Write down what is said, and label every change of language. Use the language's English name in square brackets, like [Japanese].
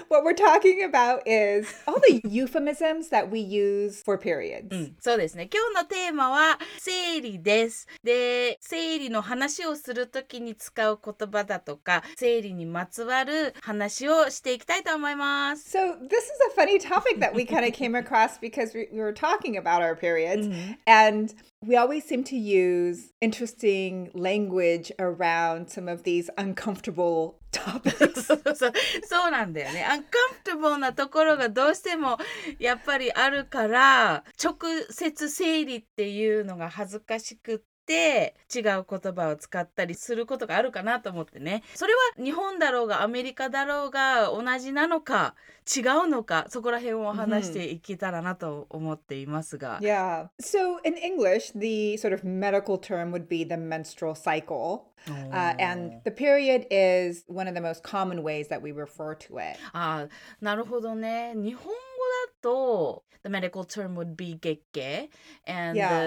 [English] What we're talking about is all the euphemisms that we use for periods. [Japanese] そうですね。今日のテーマは生理です。で、生理の話をするときに使う言葉だとか、生理にまつわる話をしていきたいと思います。 [English] So this is a funny topic that we kind of came across because we were talking about our periods. And we always seem to use interesting language around some of these uncomfortable topics. [Japanese] そうなんだよね。 Uncomfortable なところがどうしてもやっぱりあるから、直接生理っていうのが恥ずかしくて、で違う言葉を使ったりすることがあるかなと思ってね。それは日本だろうがアメリカだろうが同じなのか違うのか、そこら辺を話していけたらなと思っていますが。 [English] Mm-hmm. Yeah. So in English, the sort of medical term would be the menstrual cycle. And the period is one of the most common ways that we refer to it. [Japanese] ああ、なるほどね。 [English] 日本So the medical term would be 月経 and yeah.